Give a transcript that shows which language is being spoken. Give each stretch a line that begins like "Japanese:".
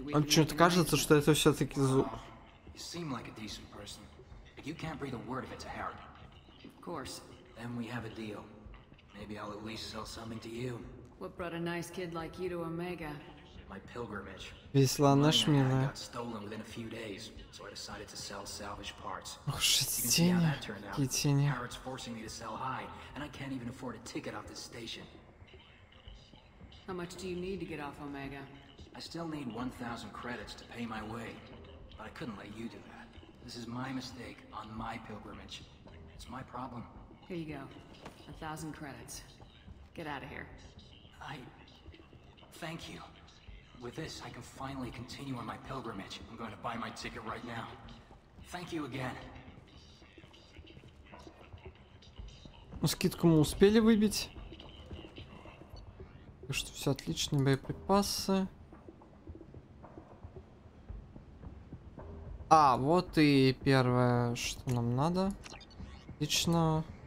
Russian: Что-то кажется, что это все-таки зуб.
English: You can't breathe a word if it's a Harrod. Of course. Then we have a deal. Maybe I'll at least sell something to you. What brought a nice kid like you to Omega? My pilgrimage.
Russian: Весла наш милая.
English: Got stolen within a few days, so I decided to sell salvaged parts.
Russian: Ох, тени. Какие тени.
English: Harrod's forcing me to sell high, and I can't even afford a ticket off this station. How much do you need to get off Omega? I still need 1,000 credits to pay my way, but I couldn't let you do that. This is my mistake on my pilgrimage. It's my problem. Here you go. 1,000 credits. Get out of here. I... Thank you. With this, I can finally continue on my pilgrimage. I'm going to buy my ticket right now. Thank you again.
Russian: Ну, скидку мы успели выбить. Так что все отлично, боеприпасы. А, вот и первое, что нам надо. Отлично.